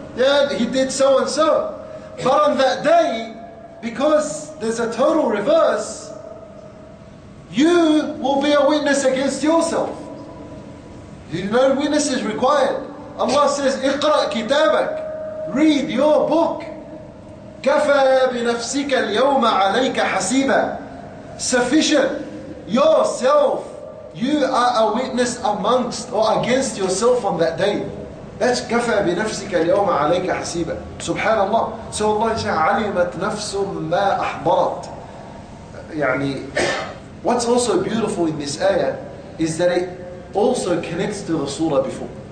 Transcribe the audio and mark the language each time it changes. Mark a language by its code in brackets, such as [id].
[en] Yeah, he did so and so. But on that day, because there's a total reverse, you will be a witness against yourself. You know, witnesses required. Allah says, [ar] اقرأ كتابك. [en] Read your book. [ar] كفى بنفسك اليوم عليك حسيبا. [en] Sufficient. Yourself. You are a witness amongst or against yourself on that day. That's [ar] kafa bi nafsika al-yawma alayka hasiba. [en] Subhanallah. So Allah says, [ar] alimat nafsum ma ahbarat. [en] Yani, what's also beautiful in this ayah is that it also connects to the surah before.